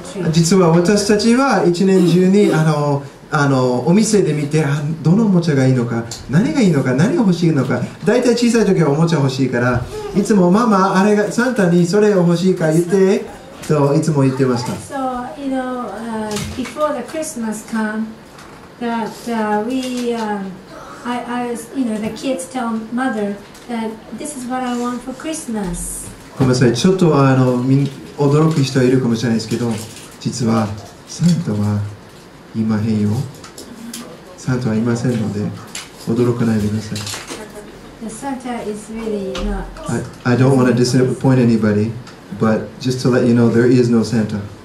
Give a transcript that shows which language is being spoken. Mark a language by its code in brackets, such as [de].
[ja] 実は私たちは一年中にお店で見て、どのおもちゃがいいのか、何がいいのか、何が欲しいのか、だいたい小さいときはおもちゃ欲しいから、いつもママ、あれがサンタにそれを欲しいか言ってといつも言ってました。 [en] So, you know, before the Christmas comeThat the kids tell mother that this is what I want for Christmas. [ja] ごめんなさい、ちょっと驚く人はいるかもしれないですけど、実はサンタはいまへんよ。サンタはいませんので、驚かないでください。 [en] The Santa is really not. I don't want to disappoint anybody, but just to let you know, there is no Santa.